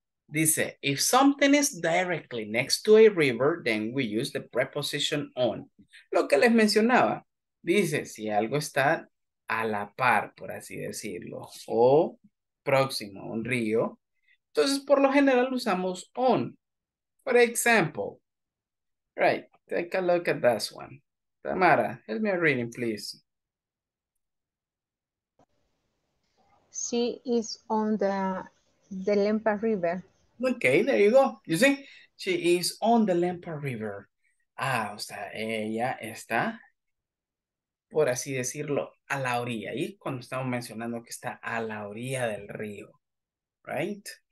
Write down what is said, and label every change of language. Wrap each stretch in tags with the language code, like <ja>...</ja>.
<en>Dice, if something is directly next to a river, then we use the preposition on.</en> <es>Lo que les mencionaba, dice, si algo está a la par, por así decirlo, o próximo a un río, entonces por lo general usamos on.</es> <en>For example, right, take a look at this one. Tamara, help me reading, please. She is on the Lempa River. Okay, there you go. You see, she is on the Lempa River.</en> <es>Ah, o sea, ella está, por así decirlo, a la orilla. Y cuando estamos mencionando que está a la orilla del río, right?</es>